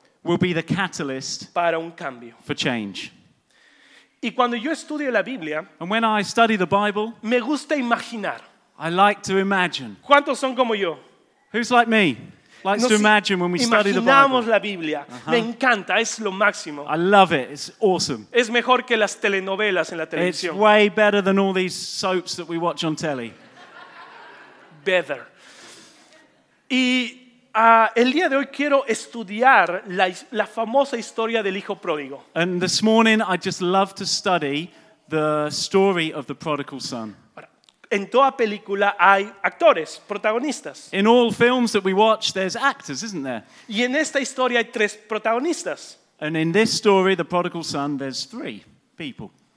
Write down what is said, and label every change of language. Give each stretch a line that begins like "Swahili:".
English: will be the catalyst
Spanish: para un cambio,
English: for change.
Spanish: Y cuando yo estudio la Biblia,
English: and when I study the Bible,
Spanish: me gusta imaginar,
English: I like to imagine.
Spanish: ¿Cuántos son como yo?
English: Who's like me? Likes to imagine when we study the Bible.
Spanish: Imaginamos la Biblia. Uh-huh. Me encanta, es lo máximo.
English: I love it, it's awesome.
Spanish: Es mejor que las telenovelas en la televisión.
English: It's way better than all these soaps that we watch on telly. Better.
Spanish: Y el día de hoy quiero estudiar la famosa historia del hijo pródigo.
English: And this morning I just love to study the story of the prodigal son.
Spanish: En toda película hay actores, protagonistas.
English: In all films that we watch, there's actors, isn't there?
Spanish: Y en esta historia hay tres protagonistas.
English: And in this story, the prodigal son, there's three people.